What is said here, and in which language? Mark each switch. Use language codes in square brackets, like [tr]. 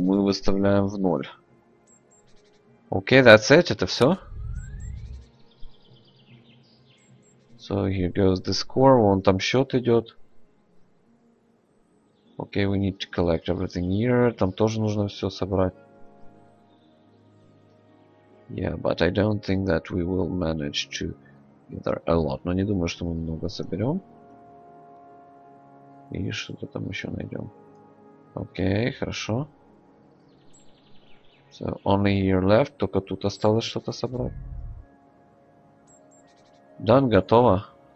[ru] Мы выставляем в ноль. [en] Okay, that's it. [ru] Это все. [en] So here goes the score. [ru] Вон там счет идет. [en] Okay, we need to collect everything here. [ru] Там тоже нужно все собрать. [en] Yeah, but I don't think that we will manage to gather a lot. [ru] Но не думаю, что мы много соберем. И что-то там еще найдем. Okay, хорошо. [en] So only here left. [ru] Только тут осталось что-то собрать. [en] Done, [ru] готово.